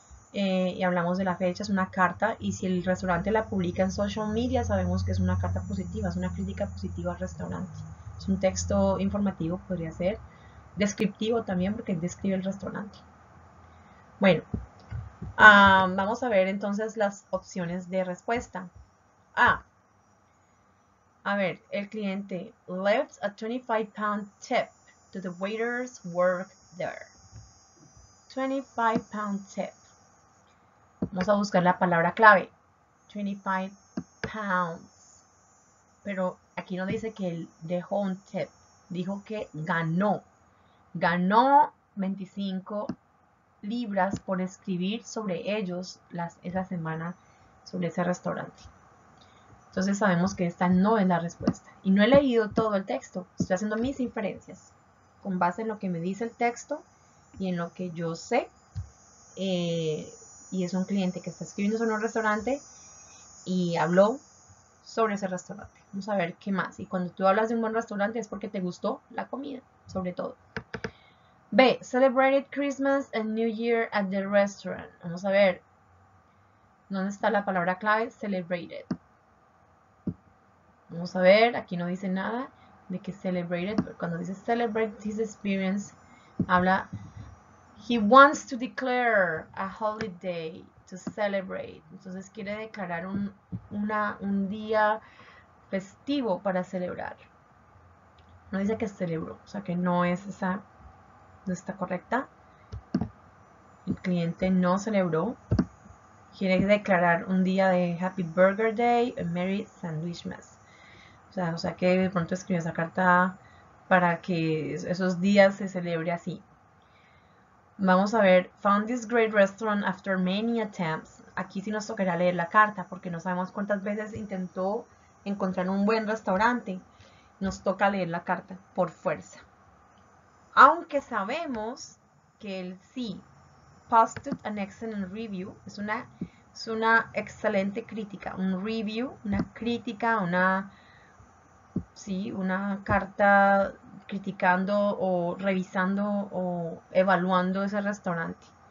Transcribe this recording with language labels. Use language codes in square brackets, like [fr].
[es] Y hablamos de la fecha, es una carta, y si el restaurante la publica en social media, sabemos que es una carta positiva, es una crítica positiva al restaurante. Es un texto informativo, podría ser descriptivo también, porque describe el restaurante. Bueno, vamos a ver entonces las opciones de respuesta. A ver, el cliente [en] left a £25 tip to the waiters work there. [es] £25 tip. Vamos a buscar la palabra clave. £25. Pero aquí no dice que él dejó un tip. Dijo que ganó. Ganó 25 libras por escribir sobre ellos esa semana, sobre ese restaurante. Entonces sabemos que esta no es la respuesta. Y no he leído todo el texto. Estoy haciendo mis inferencias con base en lo que me dice el texto y en lo que yo sé. Y es un cliente que está escribiendo sobre un restaurante y habló sobre ese restaurante. Vamos a ver qué más. Y cuando tú hablas de un buen restaurante es porque te gustó la comida, sobre todo. B. [en] Celebrated Christmas and New Year at the restaurant. [es] Vamos a ver. ¿Dónde está la palabra clave? Celebrated. Vamos a ver. Aquí no dice nada de que celebrated. Pero cuando dice [en] celebrate his experience, [es] habla. [en] He wants to declare a holiday to celebrate. [es] Entonces quiere declarar un día festivo para celebrar. No dice que celebró, o sea que no es esa, no está correcta. El cliente no celebró. Quiere declarar un día de Happy Burger Day, a Merry Sandwichmas. O sea que de pronto escribió esa carta para que esos días se celebre así. Vamos a ver, [en] found this great restaurant after many attempts. [es] Aquí sí nos tocará leer la carta porque no sabemos cuántas veces intentó encontrar un buen restaurante. Nos toca leer la carta por fuerza. Aunque sabemos que el sí, [en] posted an excellent review, [es] es una excelente crítica, un review, una crítica, una carta criticando o revisando o evaluando ese restaurante.